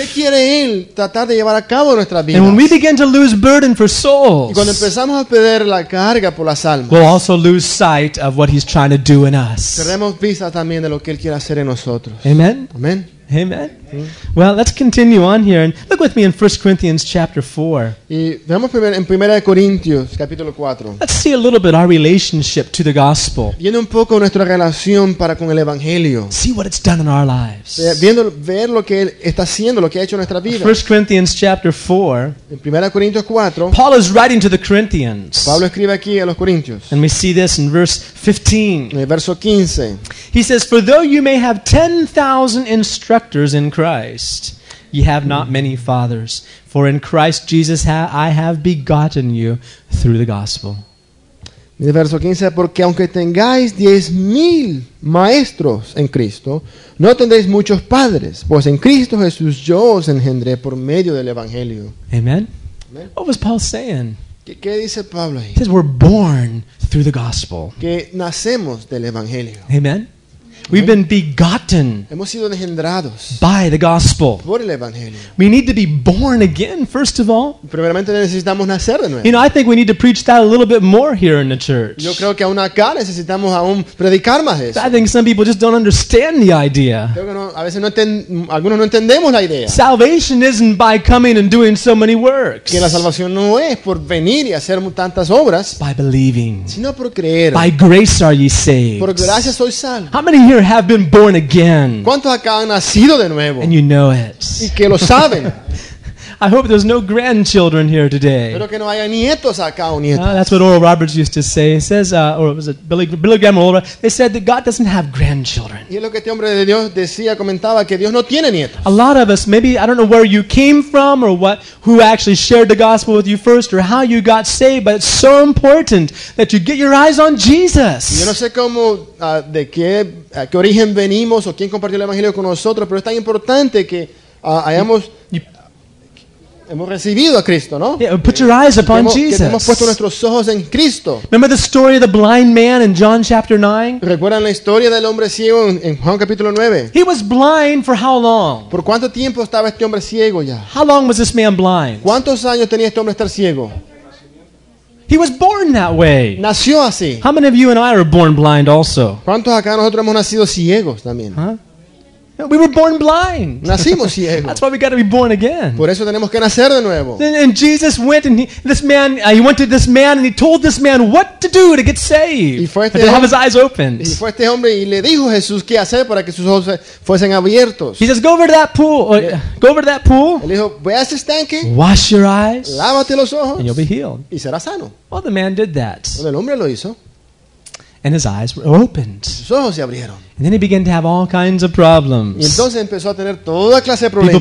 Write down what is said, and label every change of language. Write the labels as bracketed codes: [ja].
[es] ¿Qué quiere él tratar de llevar a cabo en nuestras vidas? [en] And when we begin to lose burden for souls. [es] Y cuando empezamos a perder la carga por las almas. [en] We'll also lose sight of what he's trying to do in us. [es] Perdemos vista también de lo que él quiere hacer en nosotros. [en] Amen. [es] Amen. [en] Amen. Well, let's continue on here and look with me in 1 Corinthians chapter 4. [es] Y vemos primero en 1 Corintios capítulo 4. [en] Let's see a little bit our relationship to the gospel. [es] Viendo un poco nuestra relación para con el evangelio. [en] See what it's done in our lives. [es] Viendo ver lo que él está haciendo, lo que ha hecho en nuestra vida. [en] 1 Corinthians chapter 4. [es] En 1 Corintios 4. [en] Paul is writing to the Corinthians. [es] Pablo escribe aquí a los Corintios. [en] And we see this in verse 15. [es] En el verso 15. [en] He says, "For though you may have 10,000 instructors in Christ, ye have not many fathers. For in Christ Jesus I have begotten you through the gospel." [es] El verso 15, porque aunque tengáis 10,000 maestros en Cristo, no tendréis muchos padres, pues en Cristo Jesús yo os engendré por medio del evangelio. [en] Amen. What was Paul saying? [es] ¿Qué dice Pablo ahí? [en] He says we're born through the gospel. [es] Que nacemos del evangelio. [en] Amen. We've been begotten [es] Hemos sido engendrados [en] by the gospel. [es] Por el evangelio. [en] We need to be born again, first of all. [es] Primeramente necesitamos nacer de nuevo. [en] You know, I think we need to preach that a little bit more here in the church. [es] Yo creo que aún acá necesitamos aún predicar más eso. [en] I think some people just don't understand the idea. [es] Creo que no, a veces no algunos no entendemos la idea. [en] Salvation isn't by coming and doing so many works. [es] Que la salvación no es por venir y hacer tantas obras. [en] By believing. [es] Sino por creer. [en] By grace are ye saved. [es] Por gracia soy salvo. [en] How many here have been born again? [es] ¿Cuántos acá han nacido de nuevo? [en] And you know it. [es] Y que lo saben. [en] I hope there's no grandchildren here today. [es] Pero que no haya nietos acá o nietas. [en] That's what Oral Roberts used to say. He says, or was it Billy Graham or Oral Roberts? They said that God doesn't have grandchildren. [es] Y es lo que este hombre de Dios decía, comentaba, que Dios no tiene nietos. [en] A lot of us, maybe, I don't know where you came from or what, who actually shared the gospel with you first or how you got saved, but it's so important that you get your eyes on Jesus. [es] Yo no sé cómo, de qué, a qué origen venimos o quién compartió el evangelio con nosotros, pero es tan importante que hayamos... Hemos recibido a Cristo, ¿no? [en] Yeah, put your eyes upon Jesus. [es] Hemos puesto nuestros ojos en Cristo. [en] Remember the story of the blind man in John chapter 9? [es] ¿Recuerdan la historia del hombre ciego en Juan capítulo 9? [en] He was blind for how long? [es] ¿Por cuánto tiempo estaba este hombre ciego ya? [en] How long was this man blind? [es] ¿Cuántos años tenía este hombre estar ciego? [en] He was born that way. [es] Nació así. [en] How many of you and I are born blind also? [es] ¿Cuántos acá nosotros hemos nacido ciegos también? [en] Huh? We were born blind. [es] Nacimos ciegos. [en] That's why we got to be born again. [es] Por eso tenemos que nacer de nuevo. [en] And Jesus went and he went to this man and he told this man what to do to get saved. [es] Y fue este [en] to have his eyes opened. [es] Y fue este hombre y le dijo Jesús qué hacer para que sus ojos fuesen abiertos. [en] He says, go over to that pool. [es] Él dijo, ve a ese estanque. [en] Wash your eyes. [es] Lávate los ojos. [en] And you'll be healed. [es] Y serás sano. [en] Well, the man did that. [es] El hombre lo hizo. [en] And his eyes were opened. [es] Sus ojos se abrieron. [en] And then he began to have all kinds of problems. [es] Y entonces empezó a tener toda clase de problemas.